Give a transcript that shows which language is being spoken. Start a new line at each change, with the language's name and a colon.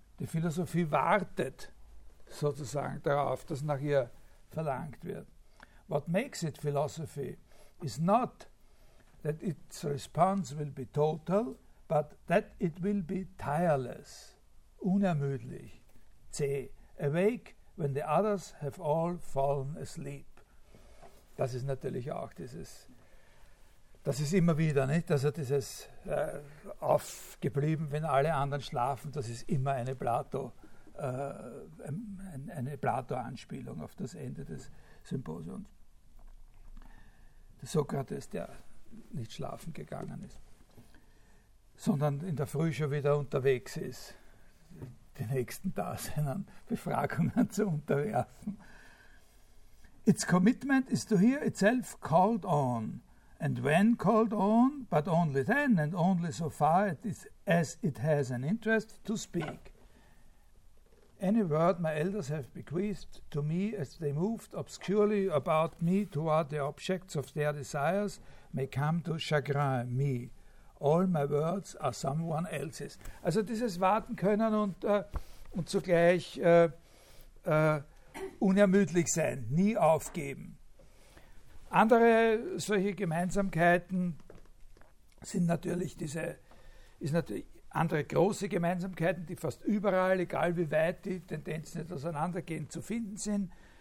German: Die Philosophie wartet sozusagen darauf, dass nach ihr verlangt wird.
English: What makes it philosophy is not that its response will be total, but that it will be tireless,
German: unermüdlich, zäh,
English: awake when the others have all fallen asleep.
German: Das ist natürlich auch dieses, das ist immer wieder, nicht? Also dieses aufgeblieben, wenn alle anderen schlafen, das ist immer eine Plato-Anspielung auf das Ende des Symposiums. Der Sokrates, der nicht schlafen gegangen ist, sondern in der Früh schon wieder unterwegs ist, die nächsten Daseinen Befragungen zu unterwerfen.
English: Its commitment is to hear itself called on, and when called on, but only then and only so far as it has an interest to speak. Any word my elders have bequeathed to me as they moved obscurely about me toward the objects of their desires may come to chagrin me. All my words are someone else's.
German: Also dieses Warten können und zugleich unermüdlich sein, nie aufgeben. Andere solche Gemeinsamkeiten sind natürlich diese, ist natürlich andere große Gemeinsamkeiten, die fast überall, egal wie weit die Tendenzen nicht auseinandergehen, zu finden sind.